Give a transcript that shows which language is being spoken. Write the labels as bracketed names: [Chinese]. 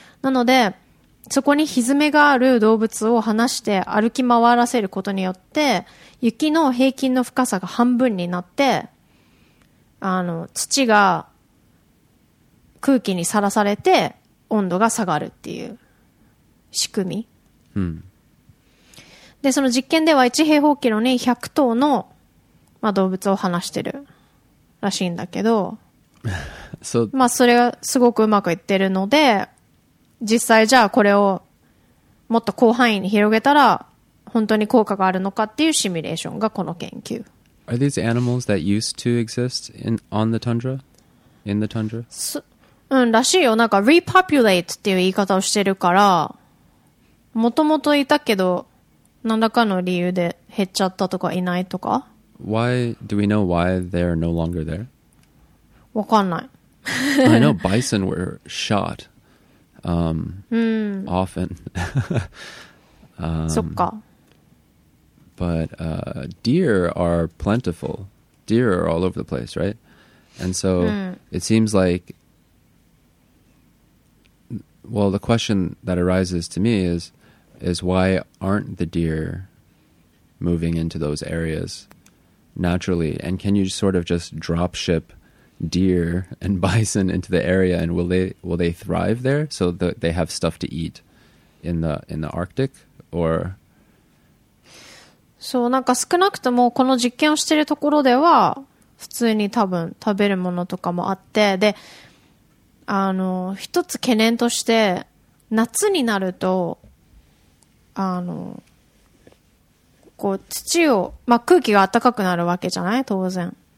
[Japanese] なのでそこにひずめがある動物を放して歩き回らせることによって、雪の平均の深さが半分になって、あの土が空気にさらされて温度が下がるっていう仕組み、でその実験では1平方キロに100頭の、まあ、動物を放してるらしいんだけど、 [English] so、 [Japanese] まあそれがすごくうまくいってるので、実際じゃあこれをもっと広範囲に広げたら本当に効果があるのかっていうシミュレーションがこの研究。 [English] Are these animals that used to exist in, on the tundra? In the tundra? [Japanese] うん、らしいよ。なんか repopulate っていう言い方をしてるから、もともといたけど何らかの理由で減っちゃったとかいないとか。 [English] Why do we know why they're no longer there? [Japanese] わかんない。 [English] I know bison were shot often. [Japanese] そっか。 [English] But deer are plentiful. Deer are all over the place, right? And so it seems like, well, the question that arises to me is why aren't the deer moving into those areas naturally? And can you sort of just drop ship deer and bison into the area, and will they thrive there so that they have stuff to eat in the Arctic? Or... [Japanese] そう、なんか少なくともこの実験をしているところでは普通に多分食べるものとかもあって、で、あの一つ懸念として、夏になると、あのこう土を、まあ、空気が暖かくなるわけじゃない、当然。